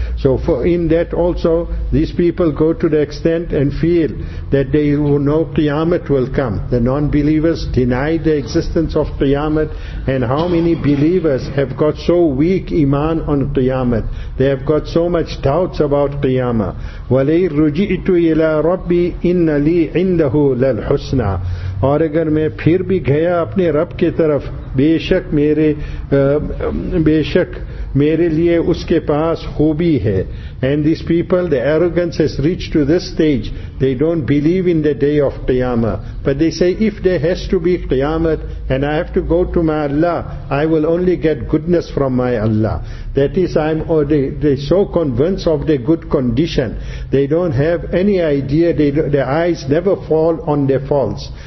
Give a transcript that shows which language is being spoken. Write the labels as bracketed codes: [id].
[en] So for in that also, these people go to the extent and feel that they will know Qiyamah will come. The non-believers deny the existence of Qiyamah, and how many believers have got so weak iman on Qiyamah? They have got so much doubts about Qiyamah. [ar] رُجِئِتُ إِلَىٰ رَبِّي إِنَّ لِي عِنْدَهُ لَلْحُسْنَى [ur] اور اگر میں پھر بھی گیا اپنے رب کے طرف بے شک میرے لئے اس کے پاس خوبی ہے. [en] And these people, the arrogance has reached to this stage, they don't believe in the day of Qiyamah, but they say, if there has to be Qiyamah and I have to go to my Allah, I will only get goodness from my Allah. That is, I'm they so convinced of their good condition, they don't have any idea, their eyes never fall on their faults.